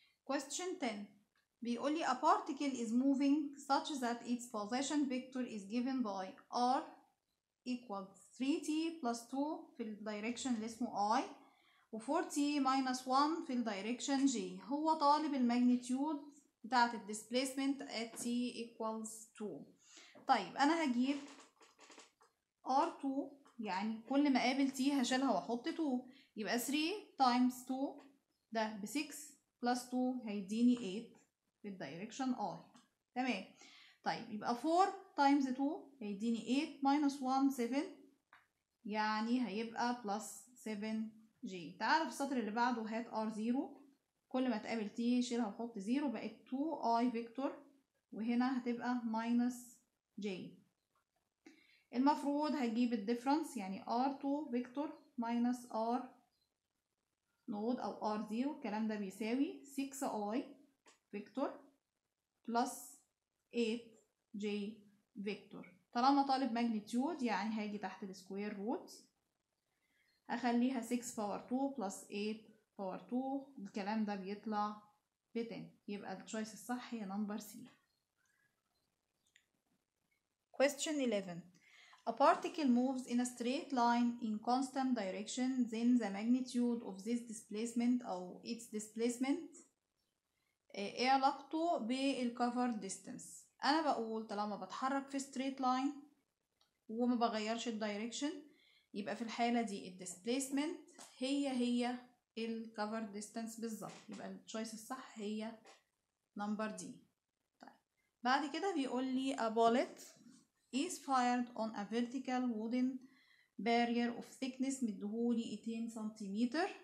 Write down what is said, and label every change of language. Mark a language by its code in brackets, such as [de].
[en] question 10 [ar] بيقول لي [en] a particle is moving such that its position vector is given by r equal 3t plus 2 [ar] في ال direction اللي اسمه i [en] و 4t minus 1 في ال direction j. [ar] هو طالب ال magnitude بتاعت ال displacement at t equals 2. طيب انا هجيب r2 يعني كل ما قابل t هشيلها واحط 2، يبقى 3 times 2 ده ب 6 plus 2 هيديني 8 في ال direction i. تمام طيب يبقى 4 times 2 هيديني 8 minus 1 7 يعني هيبقى plus 7j. تعال في السطر اللي بعده هات r0 كل ما تقابل t شيلها وحط 0 بقت 2i vector وهنا هتبقى minus j. المفروض هجيب ال difference يعني r2 vector minus r node او r0 الكلام ده بيساوي 6i vector plus 8j فيكتور. طالما طالب ماجنيتيود يعني هاجي تحت السكوير روت اخليها 6 باور 2 بلس 8 باور 2، الكلام ده بيطلع ب 10. يبقى التشويس الصح هي نمبر سي. [en] question 11 a particle moves in a straight line in constant direction then the magnitude of this displacement او its displacement [ar] ايه علاقته [en] بالcover distance. [ar] انا بقول طالما بتحرك في ستريت لاين وما بغيرش الدايركشن يبقى في الحاله دي الديسبيسمنت هي هي الكفر ديستانس بالظبط، يبقى التشويس الصح هي نمبر دي. طيب بعد كده بيقول لي [en] a bullet is fired on a vertical wooden barrier of thickness [ar] مدهولي 2 سنتيمتر.